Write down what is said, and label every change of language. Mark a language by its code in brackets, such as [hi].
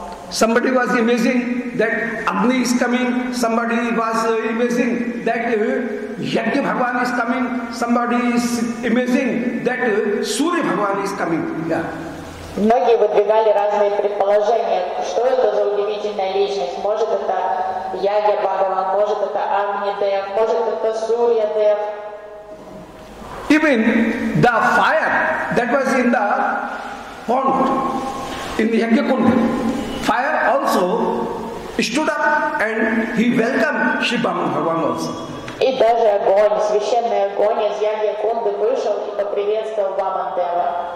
[en] Somebody was amazing that Agni is coming, somebody was amazing that Yagya Bhagwan is coming, somebody is amazing that Surya Bhagwan is coming. Yeah. [ru] Многие выдвигали разные предположения, что это за удивительная личность. Может это Ягья Бхагаван, может это Агни Дев, может это Сурья Дев. [en] Even the fire that was in the pond, in the Yagya Kund, fire also stood up and he welcomed Shri Bhaman Bhavan also. [ru] И даже огонь, священный огонь из Ягья Кунды вышел и поприветствовал Вамандева.